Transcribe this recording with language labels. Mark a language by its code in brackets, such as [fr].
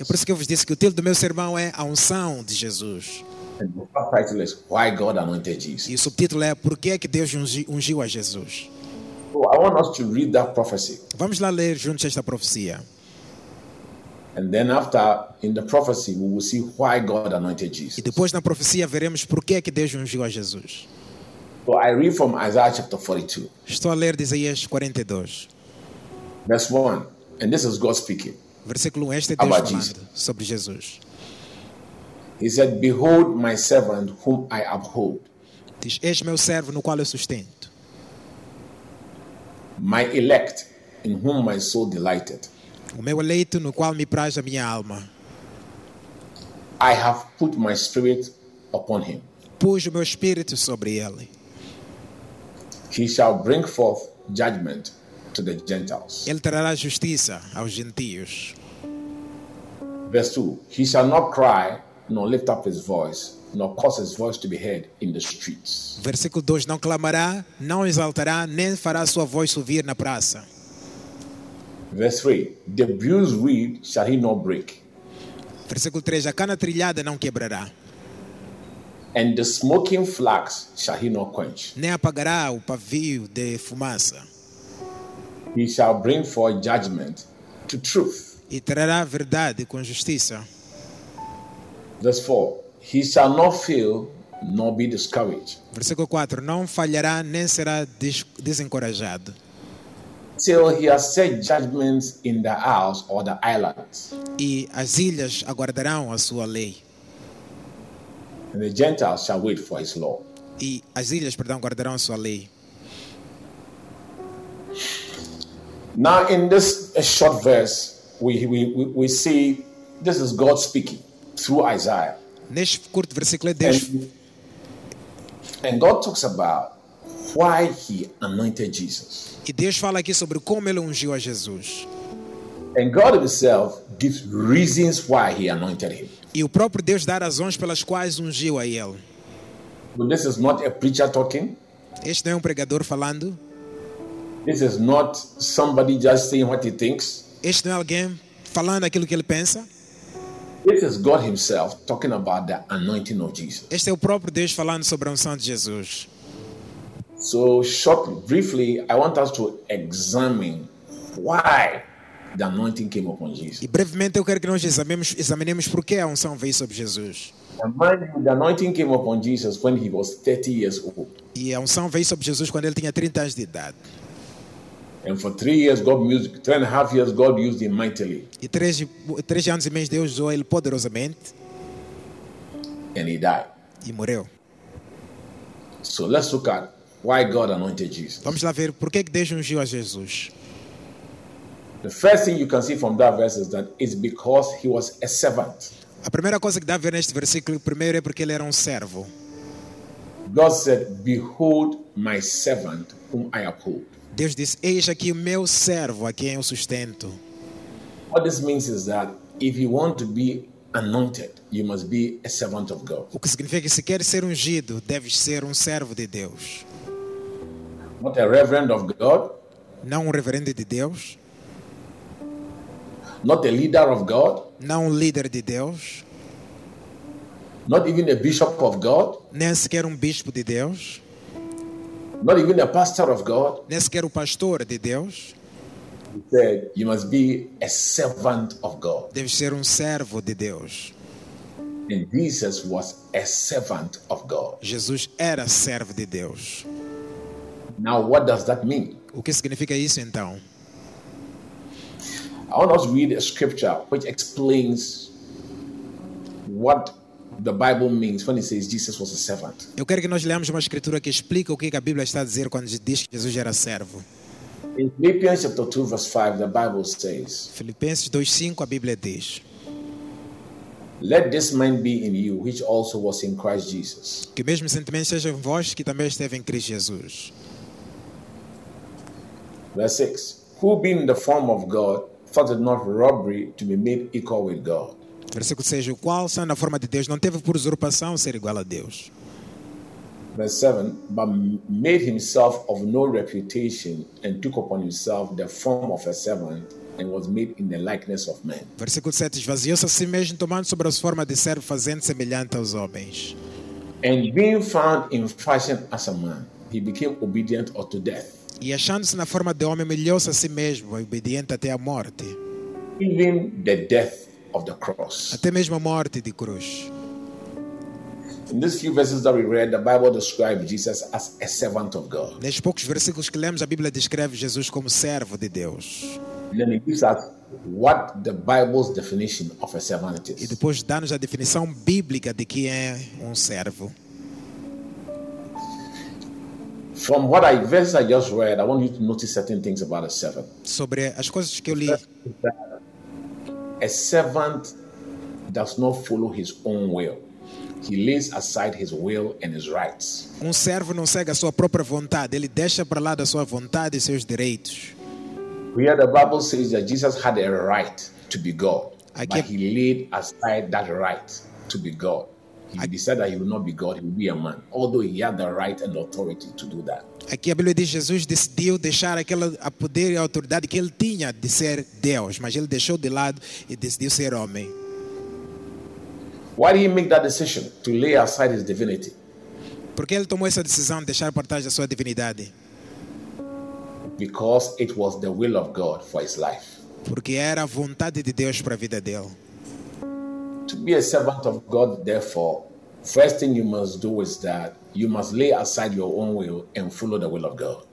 [pt] É por isso que eu vos disse que o título do meu sermão é a unção de Jesus. [en] And the subtitle is why God anointed Jesus. [pt] E o subtítulo é por que é que Deus ungiu a Jesus. [en] So I want us to read that prophecy. [pt] Vamos lá ler juntos esta profecia. [en] And then after in the prophecy we will see why God anointed Jesus. [pt] E depois na profecia veremos por que é que Deus ungiu a Jesus. [en] So I read from Isaiah chapter 42. [pt] Estou a ler de Isaías 42. [en] Verse 1. And this is God speaking. [pt] Versículo 1, este é Deus falando sobre Jesus. [en] He said, "Behold my servant whom I uphold." [pt] Diz, eis meu servo no qual eu sustento. [en] My elect in whom my soul delighted. [pt] O meu eleito no qual me praz a minha alma. [en] I have put my spirit upon him. [pt] Pus o meu espírito sobre ele. [en] He shall bring forth judgment to the Gentiles. [pt] Ele trará justiça aos gentios. [en] Verse 2. He shall not cry, nor lift up his voice, nor cause his voice to be heard in the streets. [pt] Versículo 2. Não clamará, não exaltará, nem fará sua voz ouvir na praça. [en] Verse 3. The bruised reed shall he not break. [pt] Versículo 3. A cana trilhada não quebrará. [en] And the smoking flax shall he not quench. [pt] Nem apagará o pavio de fumaça. [en] He shall bring forth judgment to truth. [pt] E trará verdade com justiça. [en] Verse 4. He shall not fail nor be discouraged. [pt] Versículo 4. Não falhará nem será desencorajado. [en] Till he has set judgments in the isles or the islands. [pt] E as ilhas aguardarão a sua lei. [en] And the Gentiles shall wait for his law. [pt] E as ilhas, perdão, guardarão a sua lei. [en] Now in this short verse we see this is God speaking through Isaiah. [pt] Neste curto versículo é Deus. [en] And God talks about why he anointed Jesus. [pt] E Deus fala aqui sobre como ele ungiu a Jesus. [en] And God himself gives reasons why he anointed him. [pt] E o próprio Deus dá razões pelas quais ungiu a ele. [en] But this is not a preacher talking. [pt] Este não é um pregador falando. [en] This is not somebody just saying what he thinks. [pt] Este não é alguém falando aquilo que ele pensa. [en] This is God himself talking about the anointing of Jesus. [pt] Este é o próprio Deus falando sobre a unção de Jesus. [en] So shortly, briefly, I want us to examine why the anointing came upon Jesus. [pt] E brevemente eu quero que nós examinemos por que a unção veio sobre Jesus. [en] And mind you, the anointing came upon Jesus when he was 30 years old. [pt] E a unção veio sobre Jesus quando ele tinha 30 anos de idade. [en] And for 3 years, God used. 3.5 years, God used him mightily. [pt] E três anos e meio Deus usou ele poderosamente. [en] And he died. [pt] E morreu. [en] So let's look at why God anointed Jesus. [pt] Vamos lá ver por que Deus ungiu a Jesus. [en] The first thing you can see from that verse is that it's because he was a servant. [pt] A primeira coisa que dá a ver neste versículo primeiro é porque ele era servo. [en] God said, "Behold my servant whom I uphold." [pt] Deus disse, eis aqui o meu servo a quem eu sustento. [en] What this means is that if you want to be anointed, you must be a servant of God. [pt] O que significa que se queres ser ungido, deves ser servo de Deus. [en] Not a reverend of God. [pt] Não reverendo de Deus. [en] Not a leader of God. [pt] Não líder de Deus. [en] Not even a bishop of God. [pt] Nem sequer bispo de Deus. [en] Not even a pastor of God. [pt] Nem sequer o pastor de Deus. [en] He said, you must be a servant of God. [pt] Deve ser servo de Deus. [en] And Jesus was a servant of God. [pt] Jesus era servo de Deus. [en] Now, what does that mean? [pt] O que significa isso então? [en] I want us to read a scripture which explains what the Bible means when it says Jesus was a servant. [pt] Eu quero que nós leamos uma escritura que explica o que a Bíblia está a dizer quando diz que Jesus era servo. [en] In Philippians chapter 2 verse 5 the Bible says. [pt] Filipenses 2:5 a Bíblia diz. [en] Let this mind be in you which also was in Christ Jesus. [pt] Que o mesmo sentimento seja em vós que também esteve em Cristo Jesus. [en] Verse 6. Who being in the form of God, thought it not robbery to be made equal with God. [pt] Versículo 6. Qual sendo a forma de Deus, não teve por usurpação ser igual a Deus. [en] Verse 7. But made himself of no reputation and took upon himself the form of a servant and was made in the likeness of men. [pt] Versículo 7. Esvaziou-se a si mesmo, tomando sobre a forma de servo, fazendo semelhante aos homens. [en] And being found in fashion as a man, he became obedient unto death. [pt] E achando-se na forma de homem, humilhou-se a si mesmo, obediente até a morte. [en] Even the death of the cross. [pt] Até mesmo a morte de cruz. [en] In these few verses that we read, the Bible describes Jesus as a servant of God. [pt] Nestes poucos versículos que lemos, a Bíblia descreve Jesus como servo de Deus. [en] And then it gives us what the Bible's definition of a servant is. [pt] E depois dá-nos a definição bíblica de que é servo. [en] From what I verses I just read, I want you to notice certain things about a servant. [pt] Sobre as coisas que eu li. [en] A servant does not follow his own will. He lays aside his will and his rights. [pt] Servo não segue a sua própria vontade, ele deixa para lá da sua vontade e seus direitos. [en] Here the Bible says that Jesus had a right to be God, [pt] aqui, [en] but he laid aside that right to be God. He decided that he would not be God, he would be a man, although he had the right and authority to do that. [pt] Aqui a Bíblia diz Jesus decidiu deixar aquela a poder e a autoridade que ele tinha de ser Deus, mas ele deixou de lado e decidiu ser homem. [en] Why did he make that decision to lay aside his divinity? [pt] Porque ele tomou essa decisão de deixar por trás da sua divindade? [en] Because it was the will of God for his life. [pt] Porque era a vontade de Deus para a vida dele. [en] To be a servant of God, therefore, first thing you must do is that you must lay aside your own will and follow the will of God.